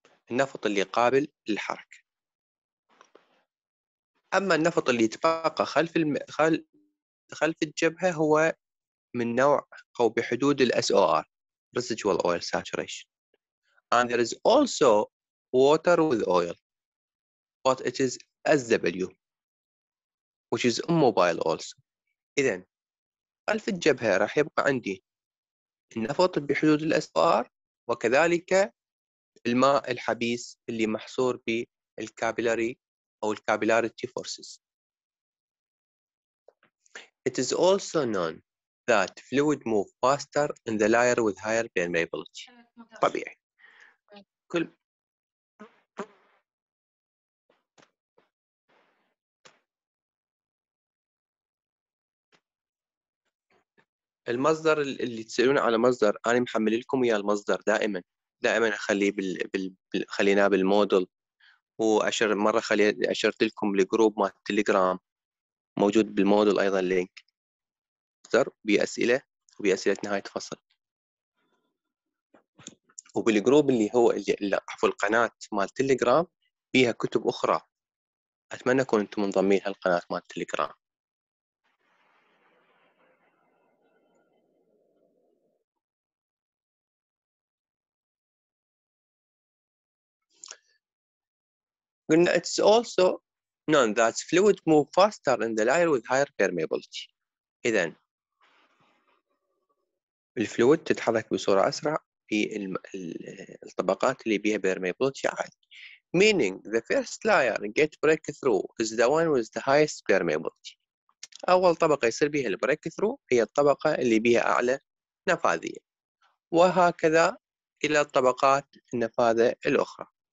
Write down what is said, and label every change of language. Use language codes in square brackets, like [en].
[ar] النفط اللي قابل للحركة. أما النفط اللي يتبقى خلف خلف الجبهة هو من نوع أو بحدود الـ SOR [en] Residual Oil Saturation. And there is also water with oil but it is SW which is immobile also. [ar] إذن خلف الجبهة راح يبقى عندي النفط بحدود الـ SOR وكذلك الماء الحبيس اللي محصور بالكابيلاري أو الكابيلاريتي فورسز. [en] It is also known that fluid move faster in the layer with higher permeability. [ar] طبيعي. كل المصدر اللي تسألون على مصدر أنا محمل لكم إياه المصدر دائما. دائما اخليه خليناه بالمودل واشر مره اشرت لكم الجروب مال التليجرام موجود بالمودل ايضا لينك اكثر باسئله وباسئله نهايه فصل وبالجروب اللي هو عفوا القناه مال التليجرام بيها كتب اخرى اتمنى تكونوا انتم منضمين هالقناه مال التليجرام. [en] It's also known that fluid move faster in the layer with higher permeability. [ar] إذن الفلويد تتحرك بصورة أسرع في الطبقات اللي بيها permeability عالي. [en] Meaning the first layer get breakthrough is the one with the highest permeability. [ar] أول طبقة يصير بيها breakthrough هي الطبقة اللي بيها أعلى نفاذية. وهكذا إلى الطبقات النفاذة الأخرى.